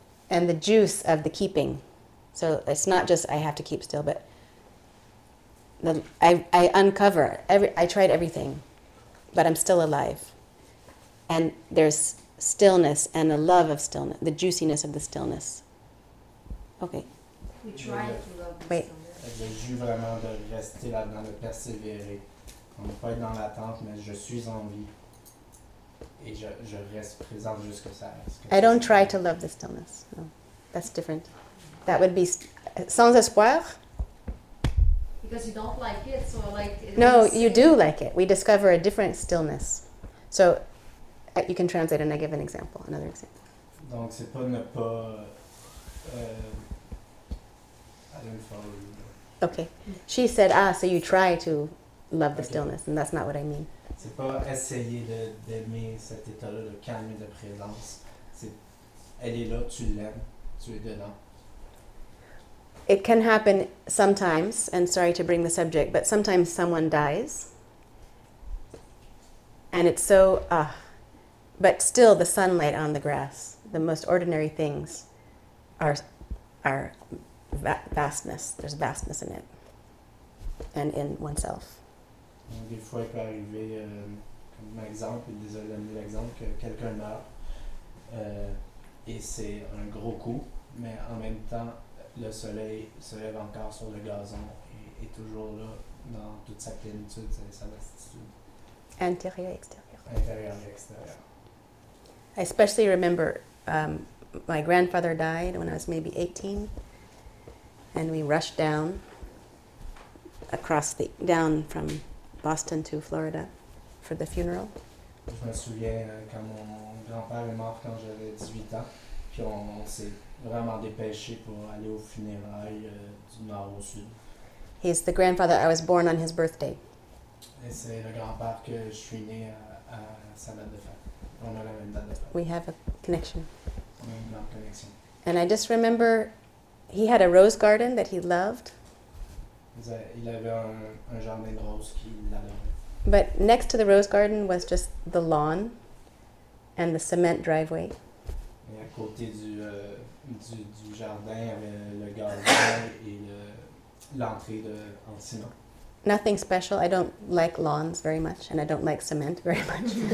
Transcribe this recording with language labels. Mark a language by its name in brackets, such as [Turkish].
[English] And the juice of the keeping. So it's not just I have to keep still, but I uncover. I tried everything, but I'm still alive. And there's stillness and a love of stillness, the juiciness of the stillness. Okay. We try to love the stillness. [French] Wait. Je veux vraiment de rester là-dedans, de persévérer. On ne peut pas être dans l'attente, mais je suis en vie. Et je reste présent jusqu'à ça. [English] I don't try to love the stillness. No. That's different. That would be [French] sans espoir. [English] Because you don't like it, so like... No, you do like it. We discover a different stillness. So you can translate and I give an example, another example. [French] Donc, c'est pas ne pas... [English] I don't follow you. Okay. She said, ah, so you try to love the stillness, and that's not what I mean. [French] C'est pas essayer d'aimer cet état-là de calme et de présence. C'est, elle est là, tu l'aimes, tu es dedans. [English] It can happen sometimes, and sorry to bring the subject, but sometimes someone dies, and it's so, but still the sunlight on the grass, the most ordinary things are vastness, there's vastness in it, and in oneself. [French] Des fois, il peut arriver, comme exemple, désolé d'amener l'exemple, que quelqu'un meurt, et c'est un gros coup, mais en même temps, le soleil se lève encore sur le gazon et est toujours là dans toute sa plénitude et sa vastitude. Intérieur et extérieur. Intérieur et extérieur. [English] I especially remember my grandfather died when I was maybe 18, and we rushed down across the down from Boston to Florida for the funeral. [French] Je me souviens quand mon grand-père est mort quand j'avais 18 ans, puis on s'est vraiment dépêché pour aller aux funérailles du nord au sud. [English] He's the grandfather I was born on his birthday. [French] Et c'est le grand-père que je suis né à sa date de fête. On a la même date de fête. [English] We have a connection. [French] On a une grande connexion. [English] And I just remember he had a rose garden that he loved. [French] Il avait un jardin de roses qu'il adorait. [English] But next to the rose garden was just the lawn and the cement driveway. [French] Et à côté du jardin avec le gazon et l'entrée en ciment. [English] nothing special. I don't like lawns very much, and I don't like cement very much.